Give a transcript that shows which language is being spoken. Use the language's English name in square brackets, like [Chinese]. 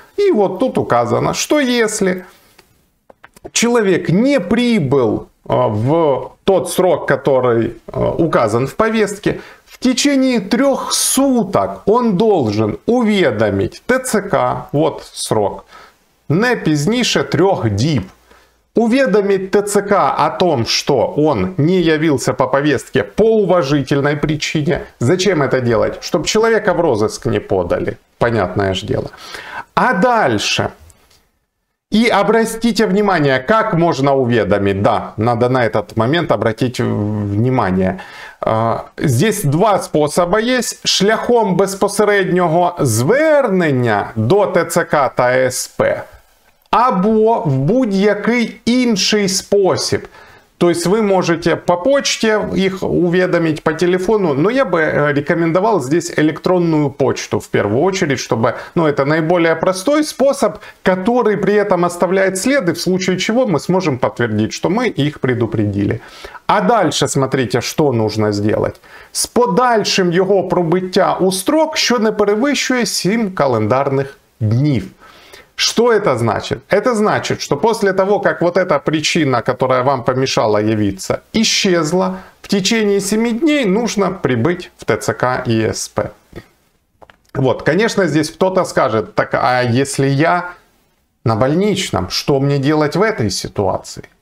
[Russian] И вот тут указано, что если человек не прибыл в тот срок, который указан в повестке, в течение 3 суток он должен уведомить ТЦК, вот срок, не позднее 3 дней, уведомить ТЦК о том, что он не явился по повестке по уважительной причине. Зачем это делать? Чтобы человека в розыск не подали, понятное же дело. А дальше... И обратите внимание, как можно уведомить. Да, надо на этот момент обратить внимание. Здесь два способа есть. [Ukrainian] Шляхом безпосереднього звернення до ТЦК та СП. Або в будь-який інший спосіб. То [Russian] То есть вы можете по почте их уведомить, по телефону, но я бы рекомендовал здесь электронную почту в первую очередь, чтобы, ну, это наиболее простой способ, который при этом оставляет следы, в случае чего мы сможем подтвердить, что мы их предупредили. А дальше смотрите, что нужно сделать. [Ukrainian] С подальшим його пробиття у строк, що не перевищує 7 календарних днів. [Russian] Что это значит? Это значит, что после того, как вот эта причина, которая вам помешала явиться, исчезла, в течение 7 дней нужно прибыть в ТЦК ИСП. Вот, конечно, здесь кто-то скажет, так а если я на больничном, что мне делать в этой ситуации?